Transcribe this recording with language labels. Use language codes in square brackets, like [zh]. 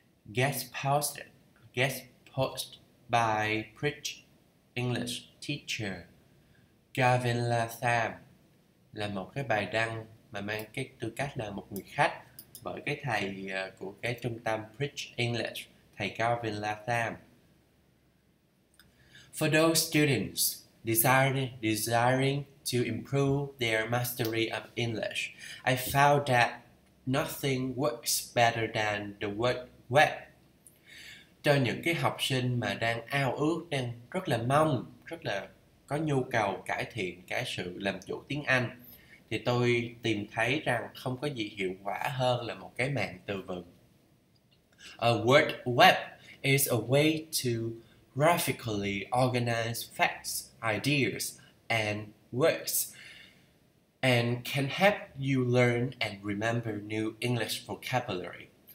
[en] Guest post by British English teacher Gavin Latham, [vi] là một cái bài đăng mà mang cái tư cách là một người khách bởi cái thầy của cái trung tâm British English, thầy Gavin Latham. [en] For those students desiring to improve their mastery of English, I found that nothing works better than the word web. [vi] Cho những cái học sinh mà đang ao ước, đang rất là mong, rất là có nhu cầu cải thiện cái sự làm chủ tiếng Anh, thì tôi tìm thấy rằng không có gì hiệu quả hơn là một cái mạng từ vựng. [en] A word web is a way to graphically organize facts, ideas, and words, and can help you learn and remember new English vocabulary.